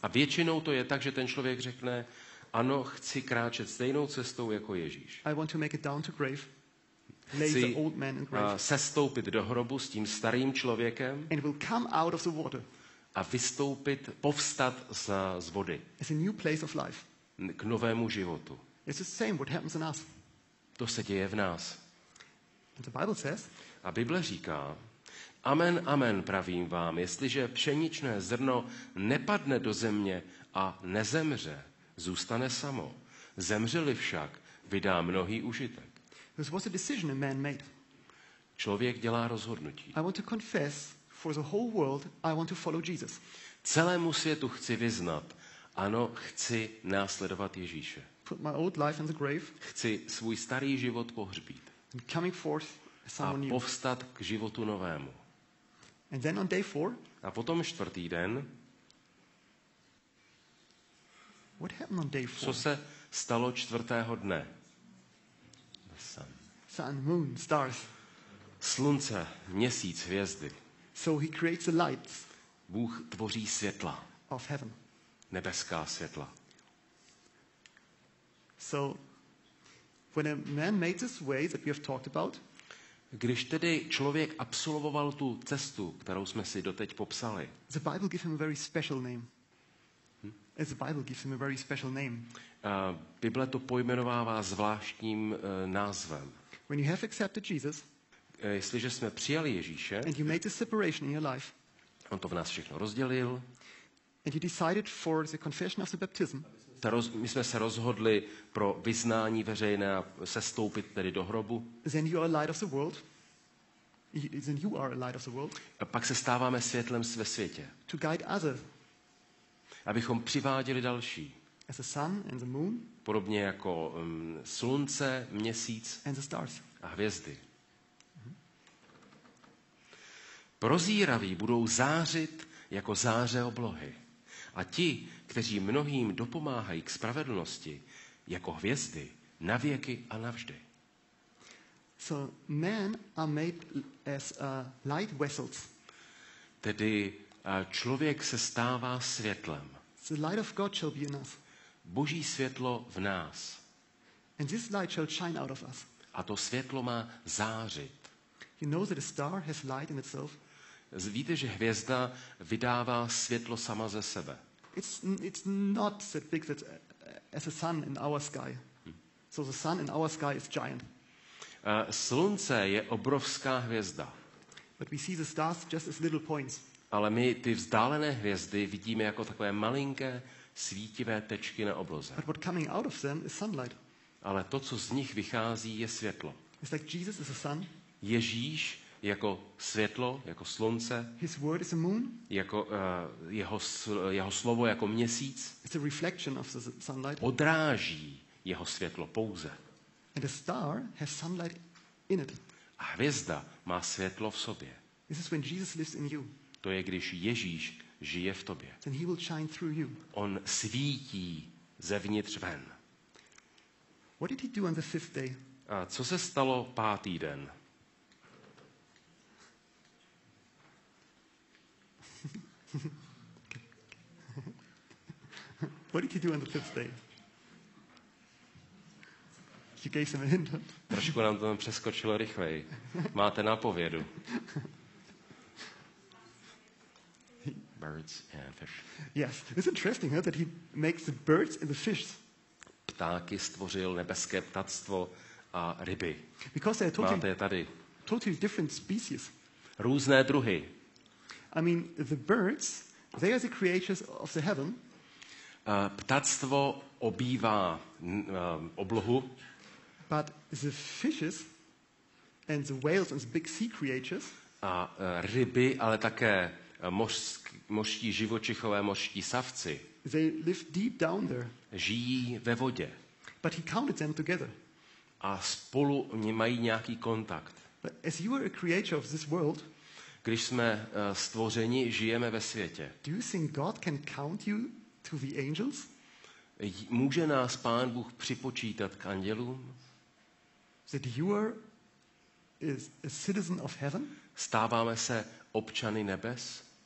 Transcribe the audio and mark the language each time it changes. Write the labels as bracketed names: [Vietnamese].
[Czech] A většinou to je tak, že ten člověk řekne, ano, chci kráčet stejnou cestou jako Ježíš. [English] I want to make it down to grave. Lay the old man in grave. [Czech] Sestoupit do hrobu s tím starým člověkem. [English] And will come out of the water. [Czech] A vystoupit, povstat z vody. [English] As a new place of life. [Czech] K novému životu. [English] It's the same what happens in us. [Czech] To se děje v nás. [English] The Bible says, [Czech] a Bible říká, amen, amen, pravím vám, jestliže pšeničné zrno nepadne do země a nezemře, zůstane samo. Zemřeli však, vydá mnohý užitek. [English] This was a decision a man made. [Czech] Člověk dělá rozhodnutí. [English] I want to confess for the whole world, I want to follow Jesus. [Czech] Celému světu chci vyznat, ano, chci následovat Ježíše. [English] Put my old life in the grave. [Czech] Chci svůj starý život pohřbít. [English] And coming forth as someone new. [Czech] A povstat k životu novému. [English] And then on day four. [Czech] A potom čtvrtý den. [English] What happened on day four? [Czech] Co se stalo čtvrtého dne? [English] The sun. Sun, moon, stars. [Czech] Slunce, měsíc, hvězdy. [English] So he creates the lights. [Czech] Bůh tvoří světla. [English] Of heaven. [Czech] Nebeská světla. [English] So when a man made this way that we have talked about, [Czech] když tedy člověk absolvoval tu cestu, kterou jsme si doteď popsali. [English] The Bible gives him a very special name. As the Bible gives him a very special name. [Czech] Bible to pojmenovává zvláštním názvem. [English] When you have accepted Jesus, [Czech] jestliže jsme přijali Ježíše, [English] and you made the separation in your life. [Czech] On to v nás všechno rozdělil. [English] And you decided for the confession of the baptism. [Czech] My jsme se rozhodli pro vyznání veřejné a sestoupit tedy do hrobu. [English] Then you are light of the world. Then you are light of the world. [Czech] A pak se stáváme světlem ve světě. [English] To guide others. [Czech] Abychom přiváděli další. [English] As the sun and the moon. [Czech] Podobně jako slunce, měsíc [English] and the stars. [Czech] A hvězdy. Prozíraví budou zářit jako záře oblohy. A ti, kteří mnohým dopomáhají k spravedlnosti, jako hvězdy, na věky a navždy. [English] So men are made as light vessels. [Czech] Tedy člověk se stává světlem. [English] The light of God shall be in us. [Czech] Boží světlo v nás. [English] And this light shall shine out of us. [Czech] A to světlo má zářit. [English] You know that a star has light in itself. [Czech] Víte, že hvězda vydává světlo sama ze sebe. [English] It's not that big that as a sun in our sky. So the sun in our sky is giant. [Czech] Slunce je obrovská hvězda. [English] But we see the stars just as little points. [Czech] Ale my ty vzdálené hvězdy vidíme jako takové malinké svítivé tečky na obloze. [English] But what coming out of them is sunlight. [Czech] Ale to, co z nich vychází, je světlo. [English] It's like Jesus is a sun. [Czech] Ježíš jako světlo, jako slunce. [English] His word is a moon. [Czech] Jako jeho slovo jako měsíc. [English] It's a reflection of the sunlight. [Czech] Odráží jeho světlo pouze. [English] And a star has sunlight in it. [Czech] A hvězda má světlo v sobě. [English] This is when Jesus lives in you. [Czech] To je, když Ježíš žije v tobě. [English] Then he will shine through you. [Czech] On svítí zevnitř ven. [English] What did he do on the fifth day? [Czech] A co se stalo pátý den? [English] What did he do on the fifth day? You gave him a hint. [Czech] Trošku nám to přeskočilo rychleji. Máte nápovědu. [English] Birds and fish. Yes, it's interesting, huh, that he makes the birds and the fish. [Czech] Ptáky stvořil, nebeské ptactvo a ryby. [English] Because they are totally, [Czech] máte je tady. [English] Totally different species. [Czech] Různé druhy. [English] I mean, the birds, they are the creatures of the heaven. [Czech] Ptactvo obývá oblohu. [English] But the fishes and the whales and the big sea creatures. [Czech] A ryby, ale také mořští živočichové, mořští savci. [English] They live deep down there. [Czech] Žijí ve vodě. [English] But he counted them together. [Czech] A spolu mají nějaký kontakt. [English] But as you are a creature of this world. [Czech] Když jsme stvořeni, žijeme ve světě. [English] Do you think God can count you to the angels? [Czech] Může nás Pán Bůh připočítat k andělům? [English] That you are is a citizen of heaven? [Czech] Stáváme se občany nebes?